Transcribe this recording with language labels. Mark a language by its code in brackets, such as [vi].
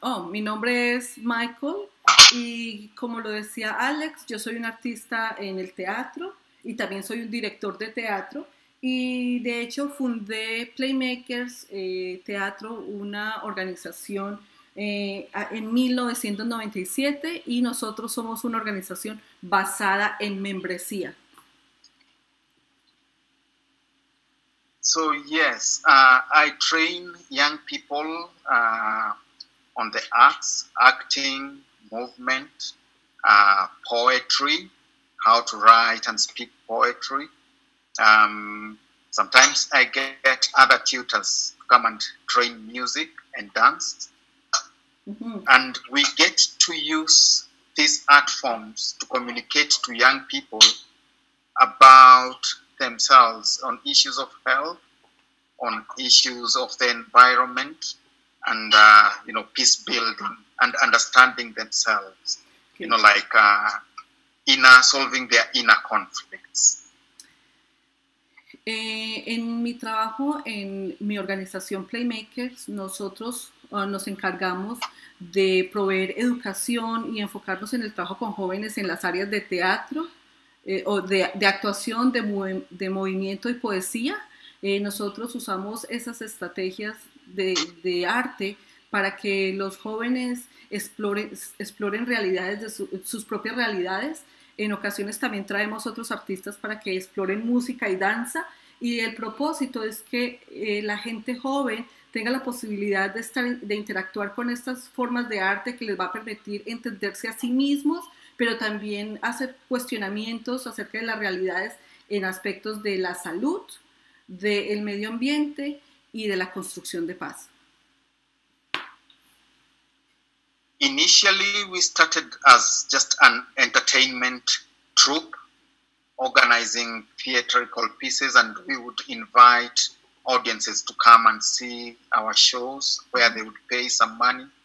[es] Mi nombre es Michael y como lo decía Alex, yo soy un artista en el teatro y también soy un director de teatro. Y de hecho fundé Playmakers Teatro, una organización en 1997, y nosotros somos una organización basada en membresía. [en] So yes, I train young people on the arts, acting, movement, poetry, how to write and speak poetry. Sometimes I get other tutors to come and train music and dance. Mm-hmm. And we get to use these art forms to communicate to young people about themselves on issues of health, on issues of the environment, and peace building and understanding themselves, you know, like solving their inner conflicts. [es] En mi trabajo, en mi organización Playmakers, nosotros nos encargamos de proveer educación y enfocarnos en el trabajo con jóvenes en las áreas de teatro, o de actuación, de movimiento y poesía. Nosotros usamos esas estrategias de arte para que los jóvenes exploren realidades de sus propias realidades. En ocasiones también traemos otros artistas para que exploren música y danza, y el propósito es que la gente joven tenga la posibilidad de interactuar con estas formas de arte que les va a permitir entenderse a sí mismos, pero también hacer cuestionamientos acerca de las realidades en aspectos de la salud, del medio ambiente y de la construcción de paz. [en] Initially, we started as just an entertainment troupe, organizing theatrical pieces, and we would invite audiences to come and see our shows where they would pay some money.